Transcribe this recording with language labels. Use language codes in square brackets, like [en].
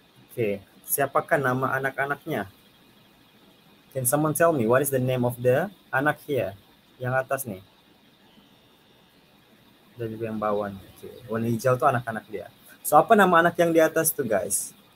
[id] Okay, siapakah nama anak-anaknya? [en] Can someone tell me what is the name of the [id] anak [en] here? [id] Yang atas nih. Dan juga yang bawah nih. Okay. Warna hijau tuh anak-anak dia. So, apa nama anak yang di atas tuh guys?